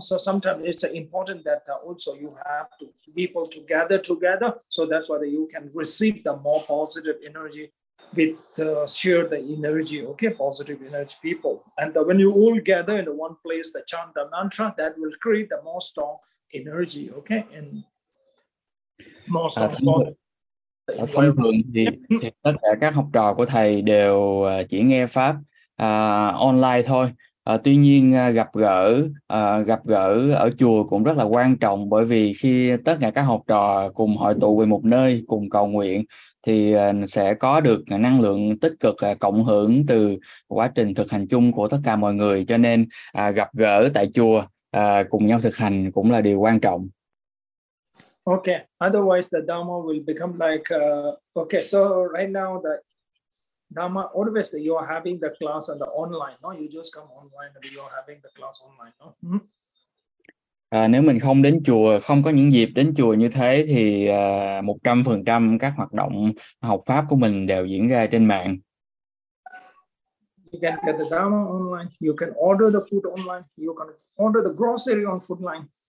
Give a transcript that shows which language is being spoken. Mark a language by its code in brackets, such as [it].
[en] So sometimes it's important that also you have to people to gather together. So that's why you can receive the more positive energy with share the energy, okay? Positive energy people. And when you all gather in one place, the chant the mantra, that will create the more strong energy, okay? And more strong energy. [vi] Thông thường thì tất cả các học trò của thầy đều chỉ nghe pháp online thôi. Tuy nhiên gặp gỡ ở chùa cũng rất là quan trọng, bởi vì khi tất cả các học trò cùng hội tụ về một nơi cùng cầu nguyện thì sẽ có được năng lượng tích cực cộng hưởng từ quá trình thực hành chung của tất cả mọi người. Cho nên gặp gỡ tại chùa cùng nhau thực hành cũng là điều quan trọng. [en] Okay, otherwise the Dharma will become like, okay, so right now the Dharma, always you are having the class on the online, no? You just come online and you are having the class online, no? [vi] Nếu mình không đến chùa, không có những dịp đến chùa như thế thì 100% các hoạt động học pháp của mình đều diễn ra trên mạng. [en] You can get the Dharma online, you can order the food online, you can order the grocery on food line.